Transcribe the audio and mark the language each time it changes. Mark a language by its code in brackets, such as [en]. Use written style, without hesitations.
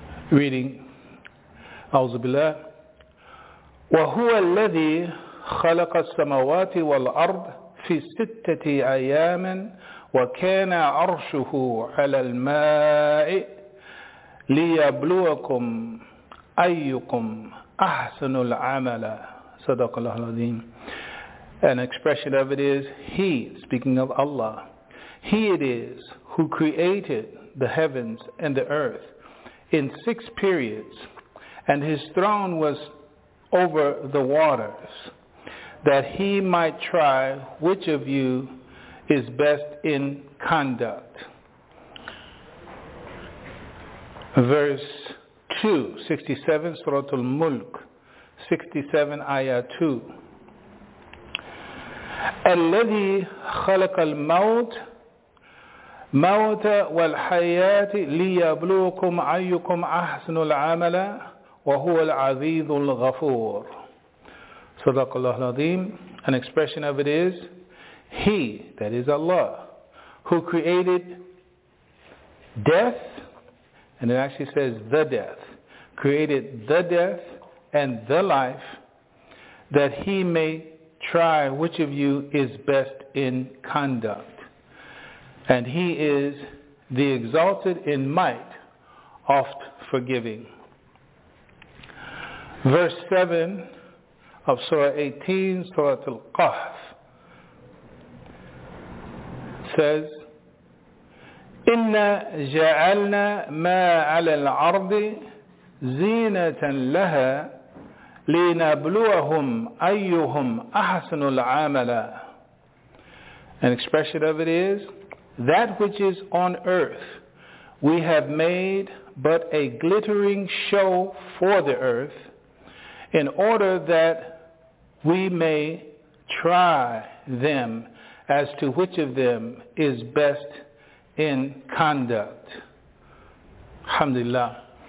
[en] Reading, [ar] أعوذ بالله وهو الذي خلق السماوات والأرض في ستة أيام وكان عرشه على الماء ليبلوكم أيكم أحسن العمل صدق الله العظيم. [en] An expression of it is, he, speaking of Allah, he it is who created the heavens and the earth in 6 periods, and his throne was over the waters, that he might try which of you is best in conduct. Verse 2, 67, Surah Al-Mulk, 67, Ayah 2. [ar] الَّذِي خَلَقَ الْمَوْتِ موت والحياة ليبلوكم أيكم أحسن العمل وهو العزيز الغفور. صدق الله العظيم. [en] An expression of it is, he, that is Allah, who created death, and it actually says the death, created the death and the life, that he may try which of you is best in conduct. And he is the exalted in might, oft forgiving. Verse 7 of Surah 18, Surah Al-Kahf, says, [ar] إِنَّا جَعَلْنَا مَا عَلَى الْعَرْضِ زينة لها لنبلوهم أيهم أحسن العمل. [en] An expression of it is, that which is on earth, we have made but a glittering show for the earth, in order that we may try them as to which of them is best in conduct. Alhamdulillah.